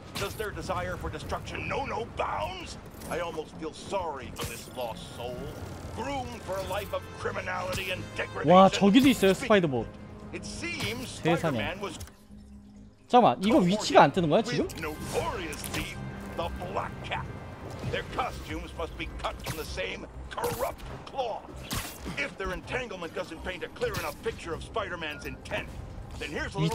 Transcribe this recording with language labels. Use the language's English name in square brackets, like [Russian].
[English] Does their desire for destruction know no bounds? I almost feel sorry for this lost soul, groomed for a life of criminality and degradation. [Korean] 와 저기도 있어요 스파이더봇. [English] It seems Spider-Man was. [Korean] 잠깐만 이거 위치가 안 뜨는 거야 지금? [English] Notorious thief, the Black Cat. Their costumes must be cut from the same corrupt cloth. If their entanglement doesn't paint a clear enough picture of Spider-Man's intent, then here's a little.